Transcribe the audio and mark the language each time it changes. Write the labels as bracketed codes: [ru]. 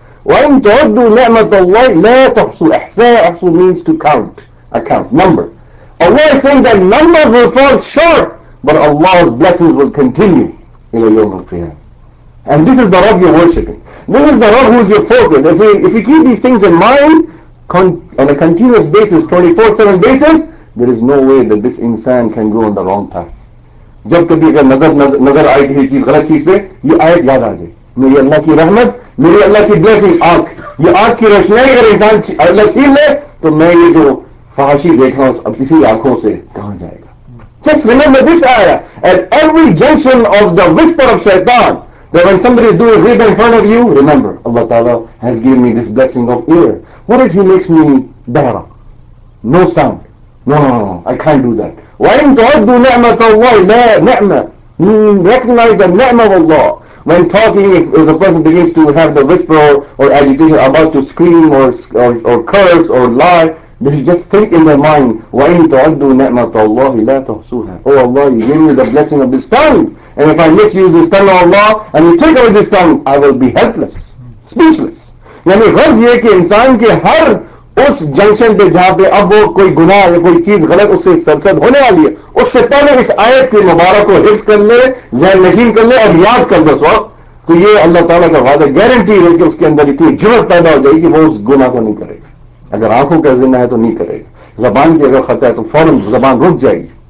[ar] وَإِن تَعُدُّوا نَعْمَةَ اللَّهِ لَا تَحْصُوا إِحْسَانَ أَحْصُوا [en] means to count, account, number. Allah is saying that numbers will fall short, but Allah's blessings will continue. [ar] إِلَى يَوْمَ الْقِيَامَةِ [en] And this is the Rabb you're worshipping. This is the Rabb who is your focus. If we keep these things in mind, on a continuous basis, 24-7 basis, there is no way that this insan can go on the wrong path. [ur] جب کبھی اگر نظر آئے کسی چیز غلط چیز پہ یہ آیت یاد آجائے میری اللہ کی رحمت میری اللہ کی بلیسنگ آنکھ یہ آنکھ کی روشنائی اگر انسان اللہ چھین لے تو میں یہ جو فحاشی دیکھ رہا ہوں اب اسی آنکھوں سے کہاں جائے گا [en] Just remember this ayah at every junction of the whisper of shaitan that when somebody is doing ghibah in front of you remember Allah Ta'ala has given me this blessing of ear what if he makes me bahra no sound no, I can't do that [ar] وَإِن تُعَدُّوا نِعْمَةَ اللَّهِ لَا نِعْمَةٌ [en] Recognize the ni'mah of Allah. When talking, if a person begins to have the whisper or agitation about to scream or curse or lie, they just think in their mind, [ar] وَإِن تُعَدُّوا نِعْمَةَ اللَّهِ لَا تُحْصُوهَا [en] Oh Allah, you gave me the blessing of this tongue. And if I misuse this tongue of Allah and you take away this tongue, I will be helpless, speechless. [ur] یعنی غرض یہ کہ انسان کے ہر اس junction پہ جہاں پہ اب وہ کوئی گناہ یا کوئی چیز غلط اس سے سرزد ہونے والی ہے اس سے پہلے اس آیت کی مبارک کو حفظ کر لے ذہن نشین کر لے اور یاد کر دس وقت تو یہ اللہ تعالیٰ کا وعدہ گارنٹی ہے کہ اس کے اندر اتنی جرت پیدا ہو جائے گی کہ وہ اس گناہ کو نہیں کرے گا اگر آنکھوں کا ذمہ ہے تو نہیں کرے گا زبان کی اگر خطا ہے تو فوراً زبان رک جائے گی